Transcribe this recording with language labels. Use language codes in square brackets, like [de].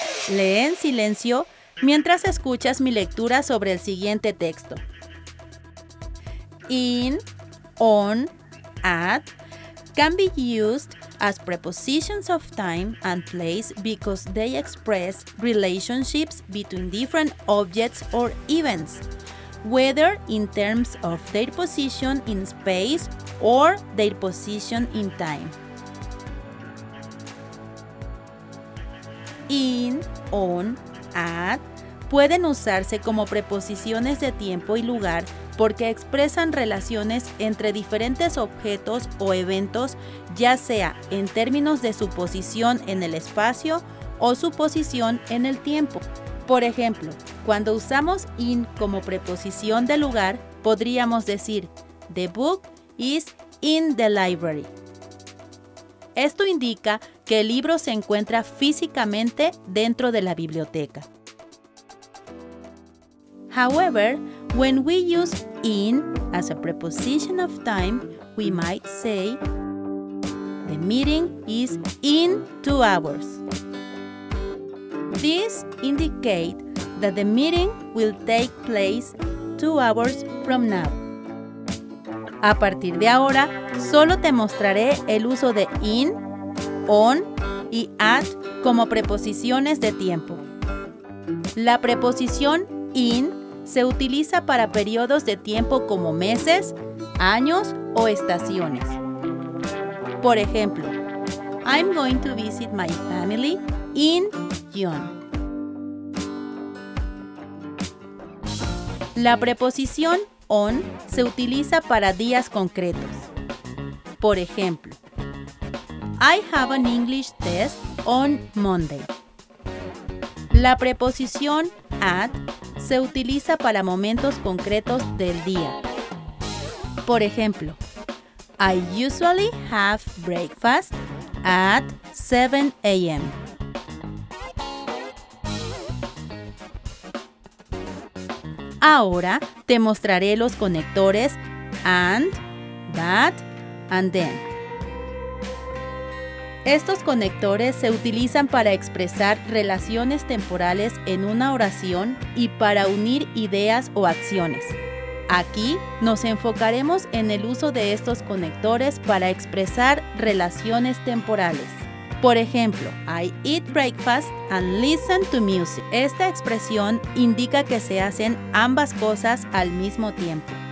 [es] Lee en silencio mientras escuchas mi lectura sobre el siguiente texto. [en] In, on, at can be used as prepositions of time and place because they express relationships between different objects or events, whether in terms of their position in space or their position in time. [es] In, on, at pueden usarse como preposiciones de tiempo y lugar porque expresan relaciones entre diferentes objetos o eventos, ya sea en términos de su posición en el espacio o su posición en el tiempo. Por ejemplo, cuando usamos in como preposición de lugar, podríamos decir, [en] "The book is in the library." [es] Esto indica que el libro se encuentra físicamente dentro de la biblioteca. [en] However, when we use in as a preposition of time, we might say, "The meeting is in 2 hours." This indicates that the meeting will take place 2 hours from now. [es] A partir de ahora, solo te mostraré el uso de in, on y at como preposiciones de tiempo. La preposición in se utiliza para periodos de tiempo como meses, años o estaciones. Por ejemplo, [en] I'm going to visit my family in June. [es] La preposición on se utiliza para días concretos. Por ejemplo, [en] I have an English test on Monday. [es] La preposición at se utiliza para momentos concretos del día. Por ejemplo, [en] I usually have breakfast at 7 a.m. [es] Ahora te mostraré los conectores and, that, and then. Estos conectores se utilizan para expresar relaciones temporales en una oración y para unir ideas o acciones. Aquí nos enfocaremos en el uso de estos conectores para expresar relaciones temporales. Por ejemplo, [en] I eat breakfast and listen to music. [es] Esta expresión indica que se hacen ambas cosas al mismo tiempo.